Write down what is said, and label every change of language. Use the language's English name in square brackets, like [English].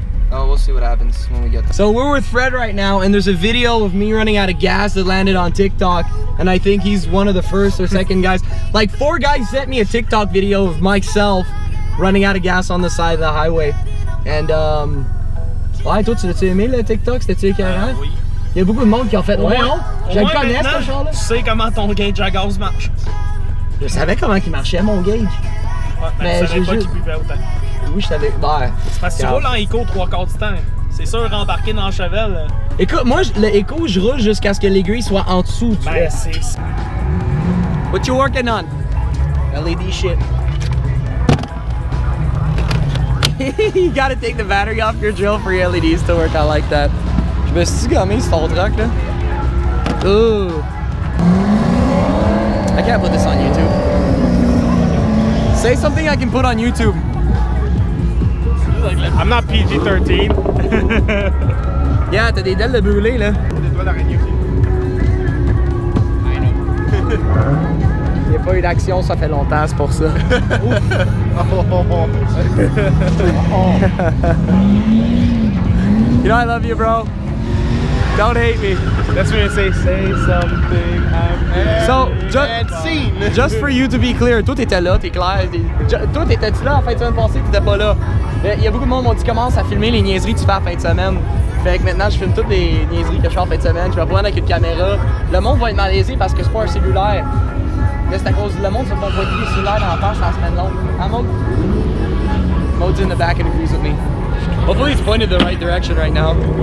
[English] Oh, we'll see what happens when we get there. So we're with Fred right now, and there's a video of me running out of gas that landed on TikTok. And I think he's one of the first or second guys. Like, four guys sent me a TikTok video of myself running out of gas on the side of the highway. And [French] ouais, toi, tu as-tu aimé le TikTok? C'était-tu écœurant? Oui. Il y a beaucoup de monde qui ont fait. Ouais, non? Je le connais, ce genre-là. Tu sais comment ton gauge à gaz marche? Je savais comment il marchait, mon gauge. Ouais, mais je savais pas qu'il buvait autant. Oui, je savais. Ben. C'est parce que tu roules en écho trois quarts du temps. C'est sûr, rembarquer dans le chevel. Écoute, moi, le écho, je roule jusqu'à ce que l'aiguille soit en dessous. Ben, c'est ça. [English] What you working on? LED shit. You gotta take the battery off your drill for your LEDs to work out like that. [French] Je me suis dit, gamin, c'est ton truc, là. [English] Ooh. I can't put this on YouTube. Say something I can put on YouTube. I'm not PG-13. [French] Yeah, t'as des dalles de brûlé, là. Des doigts d'araignée. [English] I know. [French] Il n'y a pas eu d'action, ça fait longtemps, c'est pour ça. [English] You know I love you, bro. Don't hate me. That's when you say, say something. So, just for you to be clear, [French] toi t'étais là, t'es clair. Toi t'étais-tu là en fin de semaine passée, t'étais pas là. Il y a beaucoup de monde qui m'ont dit commence à filmer les niaiseries que tu fais en fin de semaine. Fait que maintenant je filme toutes les niaiseries que je fais en fin de semaine. Je vais prendre avec une caméra. Le monde va être malaisé parce que c'est pas un cellulaire. Mais c'est à cause du monde qui va pas voir les cellulaires dans la face en semaine longue. Hein, Maud? [English] Maud's in the back and agrees with me. Hopefully he's pointed the right direction right now.